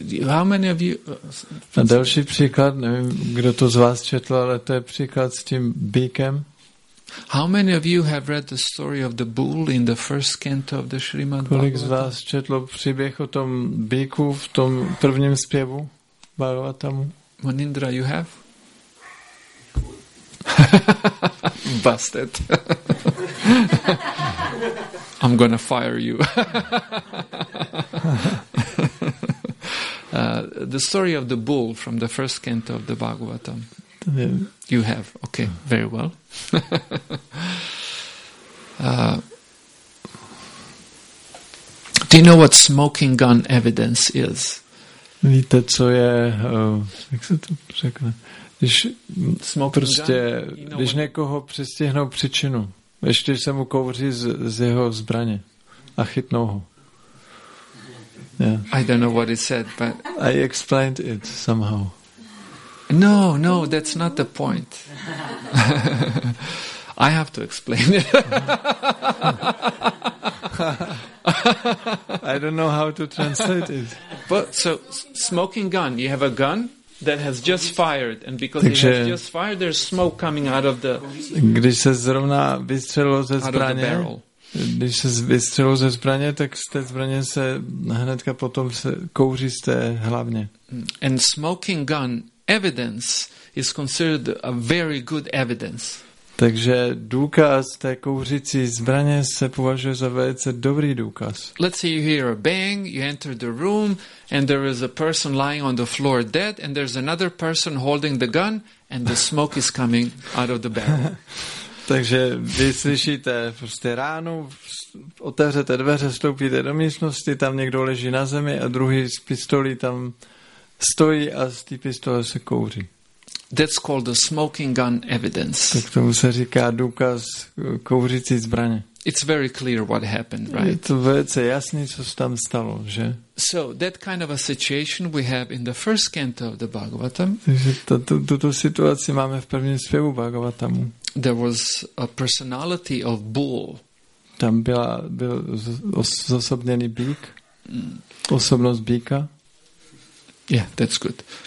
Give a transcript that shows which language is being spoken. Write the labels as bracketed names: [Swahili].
[English] How many of you? [Czech] A další příklad, nevím, kdo to z vás četl, ale to je příklad s tím býkem. [English] How many of you have read the story of the bull in the first canto of the Srimad Bhagavatam? [Czech] Kolik z vás četlo příběh o tom býku v tom prvním zpěvu Bhagavatamu? [English] Manindra, you have? Busted. I'm gonna fire you. The story of the bull from the first canto of the Bhagavatam. You have, okay, very well. Do you know what smoking gun evidence is? [Czech] Víte, co je, jak se to řekne? Když smoking prostě, gun, když what? Někoho přistihnou příčinu, ještě se mu kouří z jeho zbraně a chytnou ho. [English] Yeah. I don't know what it said, but I explained it somehow. No, no, that's not the point. I have to explain it. I don't know how to translate it. But so, smoking gun. You have a gun that has just fired, and because it has just fired, there's smoke coming out of the. [Czech] Když se zrovna vystřelilo ze zbraně. [English] Out of the barrel. [Czech] Když se vystřelilo ze zbraně, tak z té zbraně se hnedka potom se kouří z té hlavně. [English] And smoking gun. Evidence is considered a very good evidence. [Czech] Takže důkaz té kouřící zbraně se považuje za velice dobrý důkaz. [English] Let's say you hear a bang, you enter the room and there is a person lying on the floor dead and there's another person holding the gun and the smoke is coming out of the barrel. [Czech] Takže vy slyšíte prostě ránu, otevřete dveře, vstoupíte do místnosti, tam někdo leží na zemi a druhý s pistolí tam stojí a z té pistole se kouří. [English] That's called the smoking gun evidence. [Czech] Tak tomu se říká důkaz kouřící zbraně. [English] It's very clear what happened, right? [Czech] Je to velice jasný, co se tam stalo, že? [English] So that kind of a situation we have in the first canto of the Bhagavatam. [Czech] Takže tuto situaci máme v prvním zpěvu Bhagavatamu. [English] There was a personality of bull. [Czech] Tam byl zosobněný býk. Osobnost býka. [English] Yeah, that's good.